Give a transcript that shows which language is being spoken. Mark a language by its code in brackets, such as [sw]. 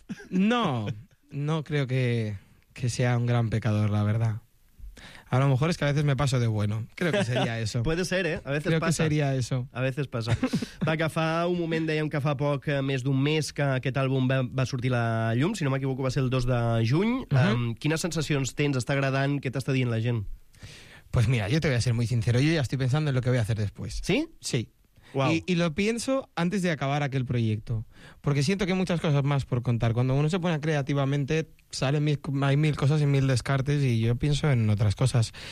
[es] No creo que sea un gran pecador, la verdad. A lo mejor es que a veces me paso de bueno. Creo que sería eso. Puede ser, ¿eh? A veces creo pasa. Creo que sería eso. A veces pasa. [ca] Va, que fa un moment, dèiem que fa poc, més d'un mes, que aquest àlbum va sortir la llum. [es] Si no m'equivoco, va ser el 2 de juny. [ca] Uh-huh. Quines sensacions tens? Està agradant? Què t'està dient la gent? [es] Pues mira, yo te voy a ser muy sincero. Yo ya estoy pensando en lo que voy a hacer después. ¿Sí? Sí. Wow. Y lo pienso antes de acabar aquel proyecto, porque siento que hay muchas cosas más por contar. Cuando uno se pone creativamente, hay mil cosas y mil descartes, y yo pienso en otras cosas.